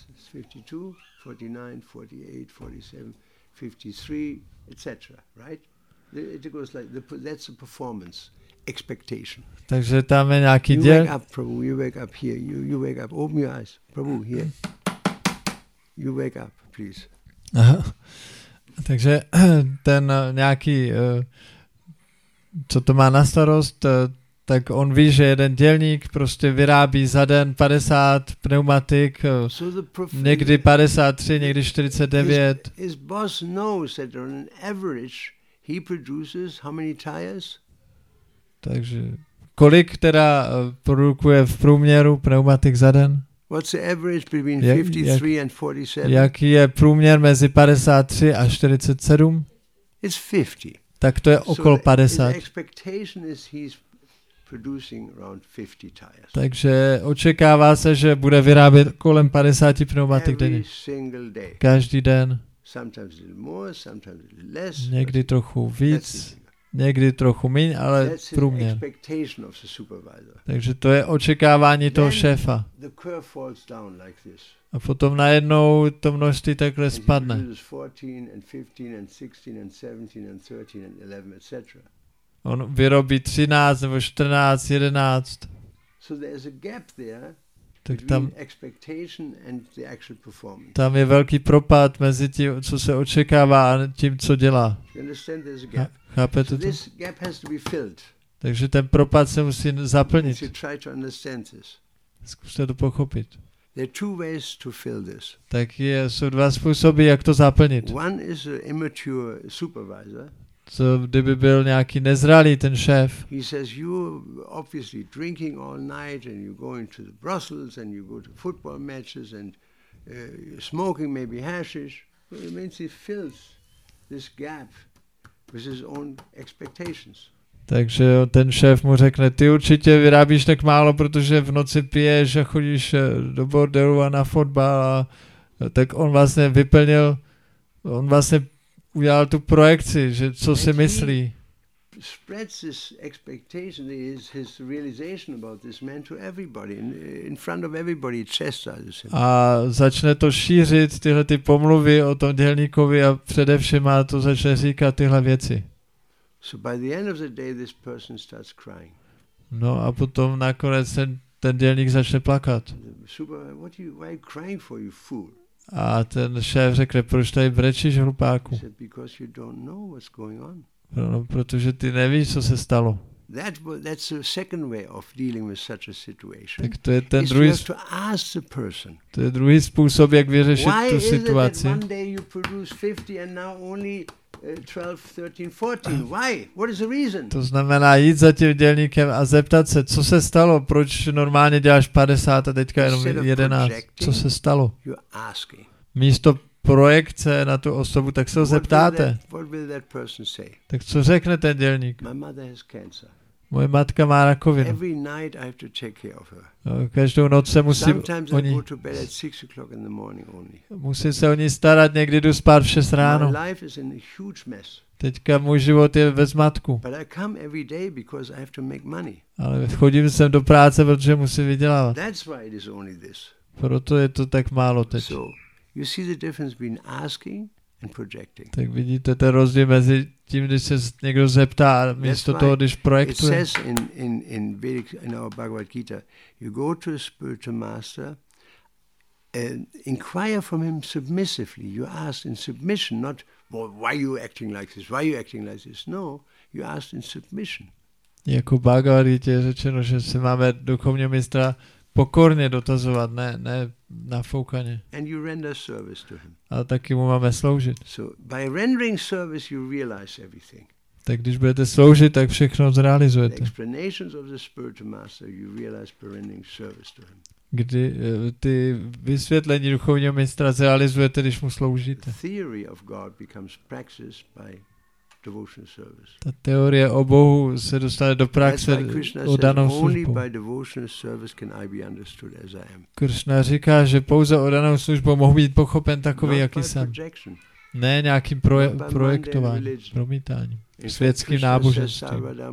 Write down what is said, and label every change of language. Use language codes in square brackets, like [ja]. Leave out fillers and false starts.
[en] It's 52, 49, 48, 47, 53, etc., right? It goes like the, that's a performance expectation. [cs] Takže tam je nějaký [en] děl. You wake up, Prabhu, you wake up here. You wake up, open your eyes. Prabhu, here. You wake up, please. Aha. [cs] Takže ten nějaký, co to má na starost, tak on ví, že jeden dělník prostě vyrábí za den 50 pneumatik, někdy 53, někdy 49. [en] His boss knows that on average he produces how many tires? [cs] Takže kolik teda produkuje v průměru pneumatik za den? [en] What's the average between 53 and 47? [cs] Jaký je průměr mezi 53 a 47? [en] It's 50. [cs] Tak to je okolo 50. [en] His expectation is he's producing around 50 tires. [cs] Takže očekává se, že bude vyrábět kolem 50 pneumatik denně. [en] Every single day. [cs] Každý den. [en] Sometimes a little more, sometimes a little less. [cs] Někdy trochu víc, někdy trochu míň, ale [en] that's [cs] průměr. [en] His expectation of the supervisor. [cs] Takže to je očekávání [en] then [cs] toho šéfa. [en] The curve falls down like this. [cs] A potom najednou to množství takhle spadne. [en] And he produces 14 and 15 and 16 and 17 and 13 and 11, etc. [cs] On vyrobí 13 nebo 14, 11. [en] So there's a gap there between tam, expectation and the actual performance. [cs] Tam je velký propad mezi tím, co se očekává a tím, co dělá. [en] You understand there's a gap. [cs] Chápete [en] so [cs] to? [en] This gap has to be filled. [cs] Takže ten propad se musí zaplnit. [en] You try to understand this. [cs] Zkuste to pochopit. [en] There are two ways to fill this. [cs] Tak je, jsou dva způsoby, jak to zaplnit. [en] One is an immature supervisor. [cs] Co kdyby byl nějaký nezralý ten šéf? [en] He says you obviously drinking all night and you go into the Brussels and you go to football matches and smoking maybe hashish. Well, it means he fills this gap with his own expectations. [cs] Takže ten šéf mu řekne, ty určitě vyrábíš tak málo, protože v noci piješ a chodíš do bordelu a na fotbal, a tak on vlastně vyplnil, on vlastně udělal tu projekci, že co si myslí. [en] Spreads this expectation, his realization about this man to everybody, in front of everybody, chastises him. [cs] A začne to šířit, tyhle ty pomluvy o tom dělníkovi, a především a to začne říkat tyhle věci. [en] So by the end of the day this person starts crying. [cs] No a potom nakonec ten dělník začne plakat. [en] Super, what are you, why are you crying for, you fool? [cs] A ten šéf řekne, proč tady brečíš, hlupáku? [en] He said, because you don't know what's going on. [cs] No, protože ty nevíš, co se stalo. [en] That's the second way of dealing with such a situation. [cs] Tak to je ten druhý, [en] to ask the person. [cs] To je druhý způsob, jak vyřešit [en] why [cs] tu situaci. [en] Why is it that one day you produce 50 and now only 12, 13, 14? Why? What is the reason? [cs] To znamená jít za tím dělníkem a zeptat se, co se stalo, proč normálně děláš 50 a teďka jenom 11. Co se stalo? [en] You're asking. [cs] Místo projekce na tu osobu, tak se ho zeptáte. [en] What will that person say? [cs] Tak co řekne ten dělník? [en] My mother has cancer. [cs] Moje matka má rakovinu. [en] Every night I have to take care of her. [cs] Každou noc se musím [en] sometimes [cs] o ní. [en] Sometimes I go to bed at 6 o'clock in the morning only. [cs] Musím se o ní starat, někdy jdu spát v 6 ráno. [en] My life is in a huge mess. [cs] Teďka můj život je ve zmatku. [en] But I come every day because I have to make money. [cs] Ale chodím sem do práce, protože musím vydělávat. [en] That's why it is only this. [cs] Proto je to tak málo teď. [en] So, you see the difference between asking and projecting. [cs] Tak vidíte ten rozdíl mezi tím, když se někdo zeptá, a místo toho, když projektuje. [en] It says in Vedic, in our Bhagavad Gita, you go to a spiritual master and inquire from him submissively. You ask in submission, not well, why are you acting like this? Why are you acting like this? No, you ask in submission. [cs] Jako Bhagavad Gita je řečeno, že se máme duchovního mistra pokorně dotazovat, ne na foukaně. [en] And you render service to him. [cs] A taky mu máme sloužit. [en] So by rendering service you realize everything. [cs] Tak když budete sloužit, tak všechno zrealizujete. [en] The explanations of the spiritual master you realize by rendering service to him. [cs] Kdy ty vysvětlení duchovního mistra zrealizujete, když mu sloužíte. [en] The theory of God becomes praxis by devotional service. [cs] Ta teorie o Bohu se dostane do praxe o danou službu. [en] Only by devotional service can I be understood as I am. [cs] Krishna říká, že pouze o danou službu mohu být pochopen takový, [en] not [cs] jaký jsem. [en] Projection. [cs] Ne nějakým projektováním, promítáním, světským náboženstvím.